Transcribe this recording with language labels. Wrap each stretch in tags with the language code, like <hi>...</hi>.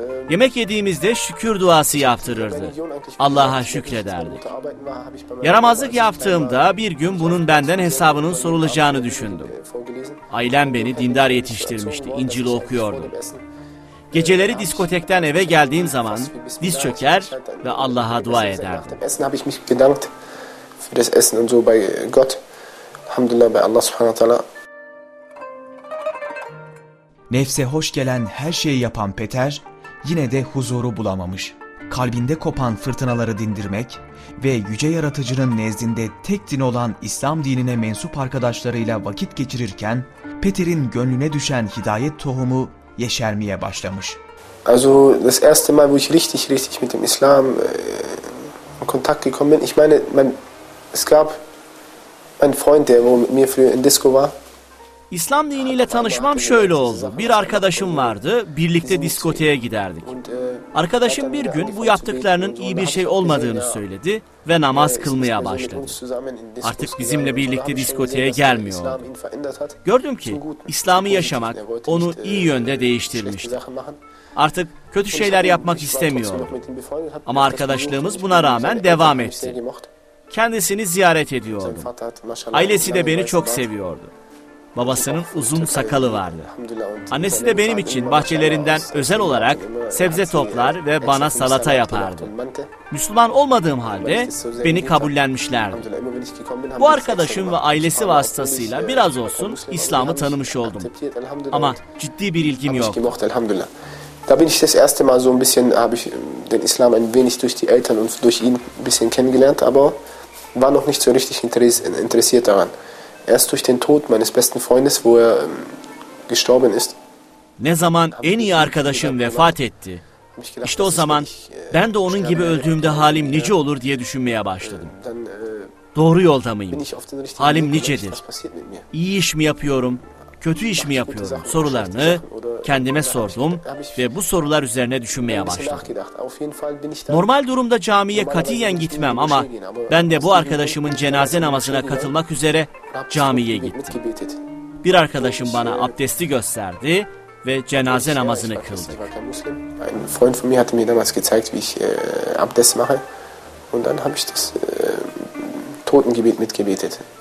<tr>Yemek yediğimizde şükür duası yaptırırdı. Allah'a şükrederdik. Yaramazlık yaptığımda bir gün bunun benden hesabının sorulacağını düşündüm. Ailem beni dindar yetiştirmişti, İncil okuyordum. Geceleri diskotekten eve geldiğim zaman diz çöker ve Allah'a dua ederdim.</tr> <de>Essen habe ich mich bedankt für das Essen und so bei Gott.</de> <ar>Alhamdulillah bei Allah Subhanahu wa Taala.</ar> <tr>Nefse hoş gelen her şeyi yapan Peter yine de huzuru bulamamış. Kalbinde kopan fırtınaları dindirmek ve yüce yaratıcının nezdinde tek din olan İslam dinine mensup arkadaşlarıyla vakit geçirirken Peter'in gönlüne düşen hidayet tohumu yeşermeye başlamış.</tr> <de>Also das erste Mal, wo ich richtig richtig mit dem Islam in Kontakt gekommen bin, ich meine, es gab einen Freund, der mit mir früher in Disco war.</de> <tr>İslam diniyle tanışmam şöyle oldu. Bir arkadaşım vardı, birlikte diskoteye giderdik. Arkadaşım bir gün bu yaptıklarının iyi bir şey olmadığını söyledi ve namaz kılmaya başladı. Artık bizimle birlikte diskoteye gelmiyordu. Gördüm ki İslam'ı yaşamak onu iyi yönde değiştirmişti. Artık kötü şeyler yapmak istemiyordu. Ama arkadaşlığımız buna rağmen devam etti. Kendisini ziyaret ediyordu. Ailesi de beni çok seviyordu. Babasının uzun sakalı vardı. Annesi de benim için bahçelerinden özel olarak sebze toplar ve bana salata yapardı. Müslüman olmadığım halde beni kabullenmişlerdi. Bu arkadaşım ve ailesi vasıtasıyla biraz olsun İslam'ı tanımış oldum. Ama ciddi bir ilgim yok.</tr> <de>Da bin ich das erste Mal so ein bisschen, habe ich den Islam ein wenig durch die Eltern und durch ihn ein bisschen kennengelernt, aber war noch nicht so richtig interessiert daran. Erst durch den Tod meines besten Freundes, wo er gestorben ist.</de> <tr>Ne zaman en iyi arkadaşım vefat etti, işte o zaman ben de onun gibi öldüğümde halim nice olur diye düşünmeye başladım. Doğru yolda mıyım? Halim nicedir? İyi iş mi yapıyorum? Kötü iş mi yapıyorum sorularını kendime sordum ve bu sorular üzerine düşünmeye başladım. Normal durumda camiye katiyen gitmem ama ben de bu arkadaşımın cenaze namazına katılmak üzere camiye gittim. Bir arkadaşım bana abdesti gösterdi ve cenaze namazını kıldık.</tr> <de>Ein Freund von mir hatte mir damals gezeigt, wie ich Abdest mache und dann habe ich das Totengebet mitgebetet.</de>